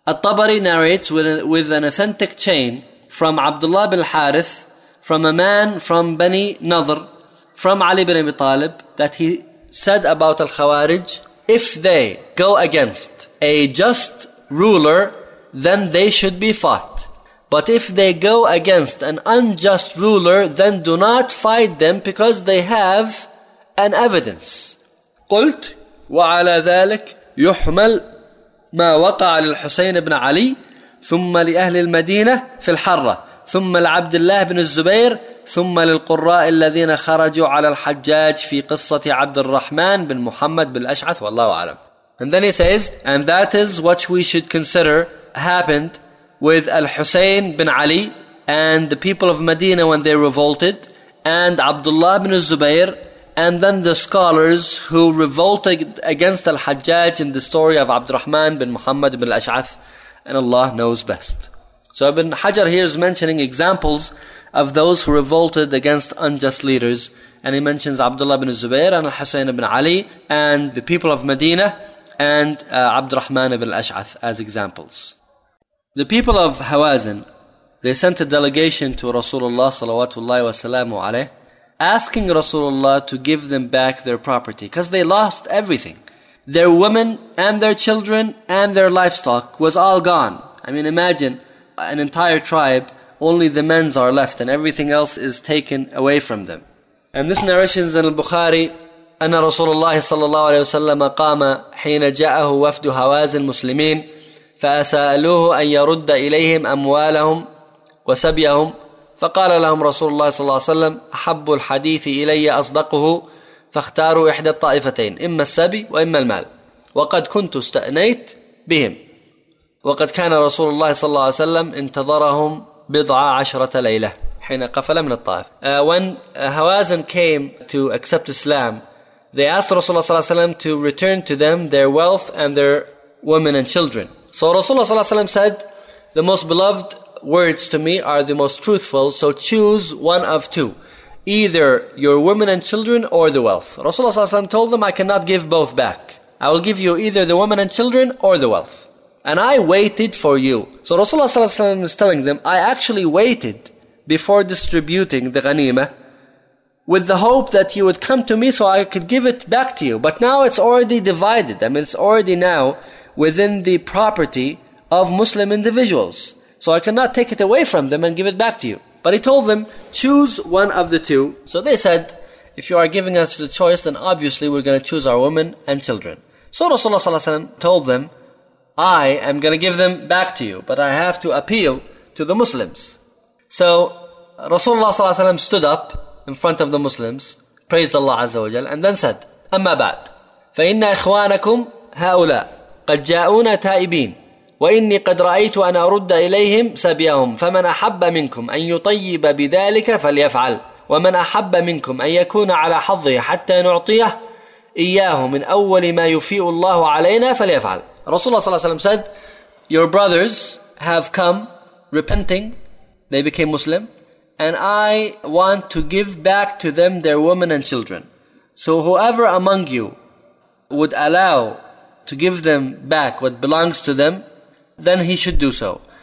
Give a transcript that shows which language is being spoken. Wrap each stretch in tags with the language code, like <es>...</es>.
<en>الطبري narrates with an authentic chain from Abdullah bin Harith, from a man from Bani Nadr, from Ali bin Abi Talib, that he said about al-Khawarij, if they go against a just ruler, then they should be fought. But if they go against an unjust ruler, then do not fight them because they have an evidence.</en> <ar>قلت وعلى ذلك يحمل ما وقع للحسين بن علي ثم لأهل المدينة في الحرة ثم لعبد الله بن الزبير ثم للقراء الذين خرجوا على الحجاج في قصة عبد الرحمن بن محمد بالأشعث والله أعلم.</ar> <en>And then he says, and that is what we should consider happened with Al-Husayn bin Ali and the people of Medina when they revolted, and Abdullah bin Zubayr, and then the scholars who revolted against Al-Hajjaj in the story of Abdurrahman bin Muhammad bin Al-Ash'ath, and Allah knows best. So Ibn Hajar here is mentioning examples of those who revolted against unjust leaders, and he mentions Abdullah bin Zubayr and Al-Husayn bin Ali and the people of Medina and Abdurrahman bin Al-Ash'ath as examples. The people of Hawazin, they sent a delegation to Rasulullah salawatullahi wasalamu alayh, asking Rasulullah to give them back their property, because they lost everything. Their women and their children and their livestock was all gone. I mean, imagine an entire tribe, only the men's are left and everything else is taken away from them. And this narration is in al-Bukhari,</en> <ar>أن رسول الله صلى الله عليه وسلم قام حين جاءه وفد هوازن المسلمين فأسألوه أن يرد إليهم أموالهم وسبيهم فقال لهم رسول الله صلى الله عليه وسلم أحب الحديث إلي أصدقه فاختاروا إحدى الطائفتين إما السبي وإما المال وقد كنت استأنيت بهم وقد كان رسول الله صلى الله عليه وسلم انتظرهم بضع عشرة ليلة حين قفل من الطائف.</ar> <en>When Hawazin came to accept Islam, they asked Rasulullah صلى الله عليه وسلم to return to them their wealth and their women and children. So Rasulullah صلى الله عليه وسلم said, the most beloved words to me are the most truthful, so choose one of two, either your women and children or the wealth. Rasulullah صلى الله عليه وسلم told them, I cannot give both back. I will give you either the women and children or the wealth. And I waited for you. So Rasulullah صلى الله عليه وسلم is telling them, I actually waited before distributing the ghanima with the hope that you would come to me so I could give it back to you. But now it's already divided. I mean, it's already now within the property of Muslim individuals. So I cannot take it away from them and give it back to you. But he told them, choose one of the two. So they said, if you are giving us the choice, then obviously we're going to choose our women and children. So Rasulullah صلى الله عليه وسلم told them, I am going to give them back to you, but I have to appeal to the Muslims. So Rasulullah صلى الله عليه وسلم stood up in front of the Muslims, praised Allah عز وجل, and then said,</en> <ar>أما بعد, فَإِنَّ إِخْوَانَكُمْ هَؤُلَاء قَدْ جَاءُونَ تَائِبِينَ وإني قد رأيت أن أرد إليهم سبيهم فمن أحب منكم أن يطيب بذلك فليفعل ومن أحب منكم أن يكون على حظه حتى نعطيه إياه من أول ما يفيء الله علينا فليفعل.</ar> <en>رسول الله صلى الله عليه وسلم said, your brothers have come repenting, they became Muslim, and I want to give back to them their women and children. So whoever among you would allow to give them back what belongs to them, then he should do so.</en>